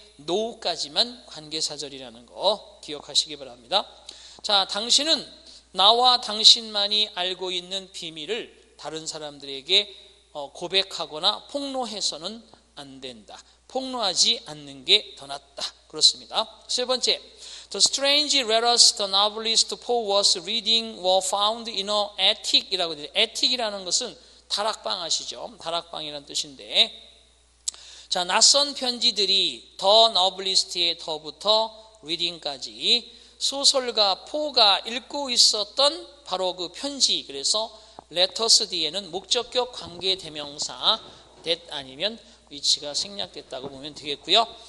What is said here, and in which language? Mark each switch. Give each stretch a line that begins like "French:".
Korean: no까지만 관계사절이라는 거 기억하시기 바랍니다. 자, 당신은 나와 당신만이 알고 있는 비밀을 다른 사람들에게 고백하거나 폭로해서는 안 된다. 폭로하지 않는 게 더 낫다. 그렇습니다. 세 번째,
English: The strange letters the novelist Poe was reading were found in an attic.
Korean: 이라고 돼요. attic이라는 것은 다락방 아시죠? 다락방이라는 뜻인데, 자, 낯선 편지들이 더 너블리스트의 더부터 리딩까지 소설가 포가 읽고 있었던 바로 그 편지. 그래서 letters 뒤에는 목적격 관계대명사 that 아니면 위치가 생략됐다고 보면 되겠고요.